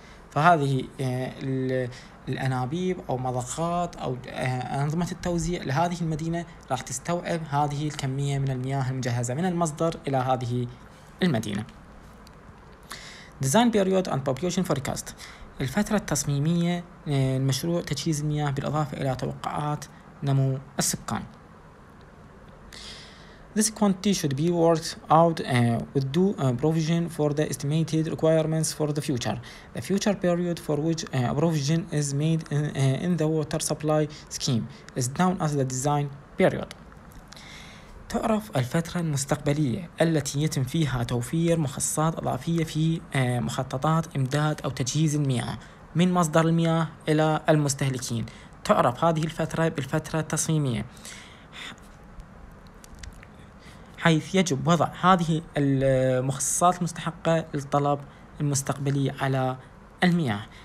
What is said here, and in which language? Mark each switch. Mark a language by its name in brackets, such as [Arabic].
[Arabic] فهذه الانابيب او مضخات او انظمة التوزيع لهذه المدينة راح تستوعب هذه الكمية من المياه المجهزة من المصدر الى هذه المدينة. [English] Design period and population forecast، [Arabic] الفترة التصميمية المشروع تجهيز المياه بالاضافة الى توقعات نمو السكان. [English] This quantity should be worked out with due provision for the estimated requirements for the future. The future period for which a provision is made in the water supply scheme is known as the design period. [Arabic] تعرف الفترة المستقبلية التي يتم فيها توفير مخصصات إضافية في مخططات إمداد أو تجهيز المياه من مصدر المياه إلى المستهلكين. تعرف هذه الفترة بالفترة التصميمية، حيث يجب وضع هذه المخصصات المستحقة للطلب المستقبلي على المياه.